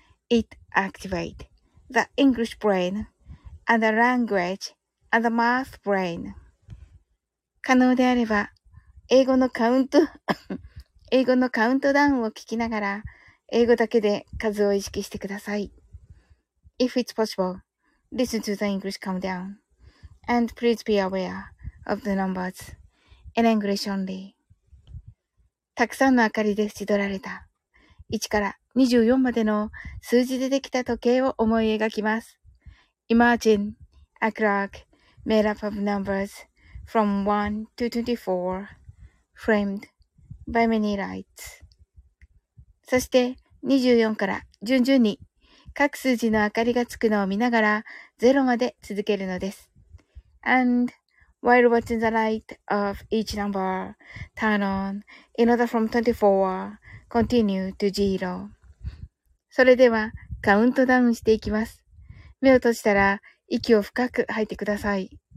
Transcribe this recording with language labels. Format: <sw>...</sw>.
<en>It activate the English brain. And the language and the math brain.</en> <ja>可能であれば、英語のカウントダウンを聞きながら、英語だけで数を意識してください。</ja> <en>If it's possible, listen to the English countdown. And please be aware of the numbers in English only.</en> <ja>たくさんの明かりで縁取られた、1から24までの数字でできた時計を思い描きます。</ja> <en>Imagine a clock made up of numbers from 1 to 24, framed by many lights.</en> <ja>そして24から順々に各数字の明かりがつくのを見ながら0まで続けるのです。</ja> <en>And while watching the light of each number turn on, in order from 24, continue to 0.</en> <ja>それではカウントダウンしていきます。目を閉じたら息を深く吐いてください。</ja>